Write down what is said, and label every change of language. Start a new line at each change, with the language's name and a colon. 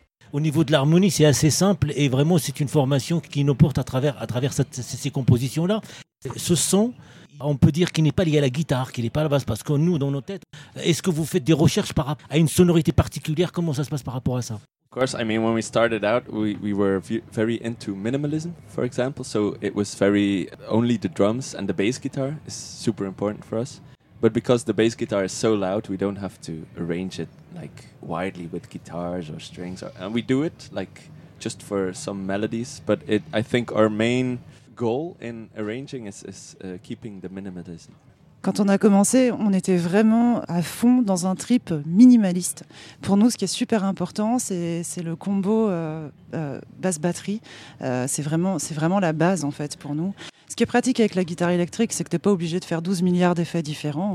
French: Au niveau de l'harmonie, c'est assez simple et vraiment, c'est une formation qui nous porte à travers ces compositions-là. Ce son, on peut dire qu'il n'est pas lié à la guitare, qu'il n'est pas à la basse, parce que nous, dans nos têtes, est-ce que vous faites des recherches par rapport à une sonorité particulière? Comment ça se passe par rapport à ça?
English: Of course, I mean, when we started out, we were very into minimalism, for example. So it was very only the drums and the bass guitar is super important for us. But because the bass guitar is so loud, we don't have to arrange it like widely with guitars or strings. And we do it like just for some melodies. But I think our main goal in arranging is keeping the minimalism.
French: quand on a commencé, on était vraiment à fond dans un trip minimaliste. Pour nous, ce qui est super important, c'est le combo basse-batterie. C'est vraiment la base, en fait, pour nous. Ce qui est pratique avec la guitare électrique, c'est que t'es pas obligé de faire 12 milliards d'effets différents.